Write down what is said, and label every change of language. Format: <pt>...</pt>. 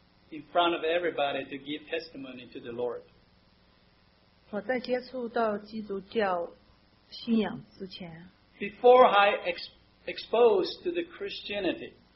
<en>In front of everybody to give testimony to the Lord.</en> <zh>我在接触到基督教信仰之前,</zh> <en>Before I exposed to the Christianity,</en>